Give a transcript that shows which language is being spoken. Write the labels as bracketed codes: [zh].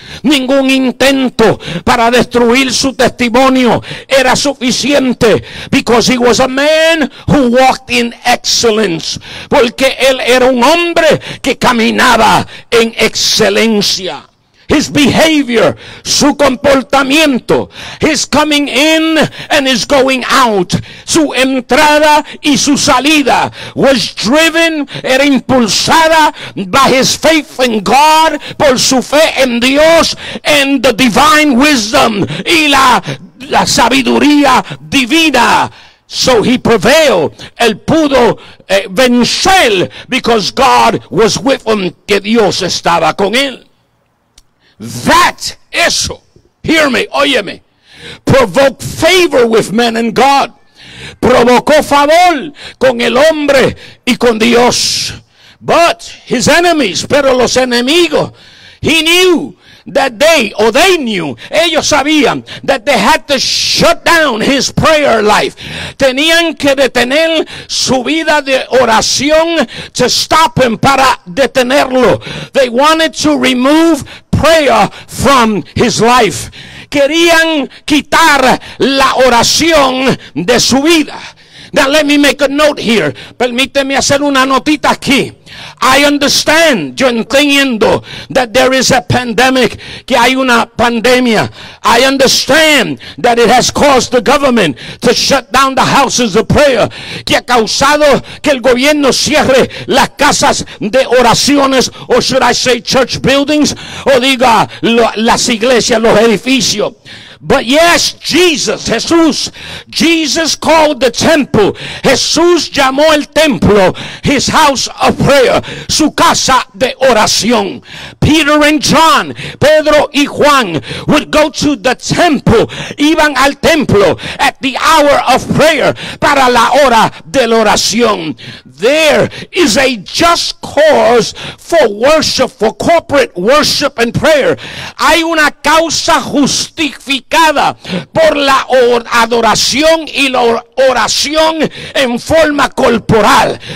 [es] Ningún intento para destruir su testimonio era suficiente. [en] Because he was a man who walked in excellence. [es] Porque él era un hombre que caminaba en excelencia. [en] His behavior, [es] su comportamiento, [en] his coming in and his going out, [es] su entrada y su salida, [en] was driven, [es] era impulsada [en] by his faith in God, [es] por su fe en Dios, [en] and the divine wisdom, [es] y la sabiduría divina. [en] So he prevailed, [es] él pudo vencer, [en] because God was with him, [es] que Dios estaba con él. [en] That, [es] eso, [en] hear me, [es] óyeme, [en] provoked favor with men and God. [es] Provocó favor con el hombre y con Dios. [en] But his enemies, [es] pero los enemigos, [en] he knew that they, or they knew, [es] ellos sabían, [en] that they had to shut down his prayer life. [es] Tenían que detener su vida de oración, [en] to stop him, [es] para detenerlo. [en] They wanted to remove prayer from his life. [es] Querían quitar la oración de su vida. [en] Now let me make a note here. [es] Permíteme hacer una notita aquí. [en] I understand, [es] yo entiendo, [en] that there is a pandemic, [es] que hay una pandemia. [en] I understand that it has caused the government to shut down the houses of prayer, [es] que ha causado que el gobierno cierre las casas de oraciones, [en] or should I say church buildings, [es] o diga las iglesias, los edificios. [en] But yes, Jesus, Jesús, Jesus called the temple. [es] Jesús llamó el templo, [en] his house of prayer, [es] su casa de oración. [en] Peter and John, [es] Pedro y Juan, [en] would go to the temple, [es] iban al templo [en] at the hour of prayer, [es] para la hora de la oración. [en] There is a just cause for worship, for corporate worship and prayer. [es] Hay una causa justificada por la adoración y la oración en forma corporal.